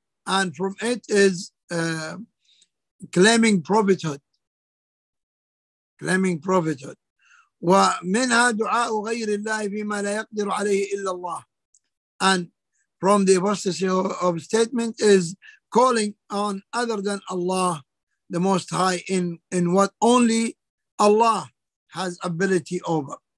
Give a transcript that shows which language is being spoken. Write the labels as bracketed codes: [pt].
[en] And from it is claiming prophethood. Claiming prophethood. [ar] ومنها دعاء غير الله فيما لا يقدر عليه إلا الله. [en] And from the apostasy of statement is calling on other than Allah, the Most High, in what only Allah has ability over.